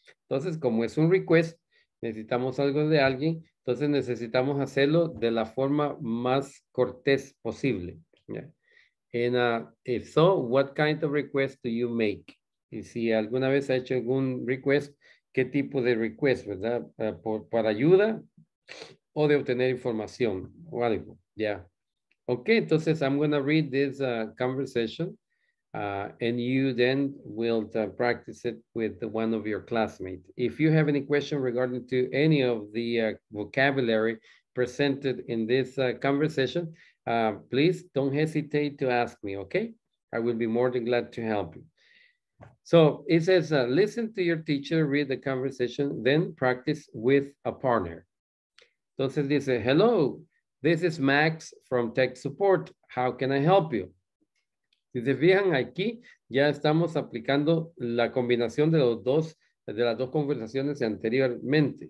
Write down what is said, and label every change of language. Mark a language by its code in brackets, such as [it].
[es] Entonces, como es un request, necesitamos algo de alguien, entonces necesitamos hacerlo de la forma más cortés posible. Yeah. [en] And if so, what kind of request do you make? [es] Y si alguna vez ha hecho algún request, ¿qué tipo de request, verdad? Para ayuda o de obtener información o algo. Yeah. [en] Okay, [es] entonces [en] I'm going to read this conversation and you then will practice it with one of your classmates. If you have any question regarding to any of the vocabulary presented in this conversation, please don't hesitate to ask me, okay? I will be more than glad to help you. So it says, listen to your teacher, read the conversation, then practice with a partner. [es] Entonces dice, [en] hello, this is Max from Tech Support. How can I help you? [es] Si se fijan aquí, ya estamos aplicando la combinación de los dos, de las dos conversaciones anteriormente.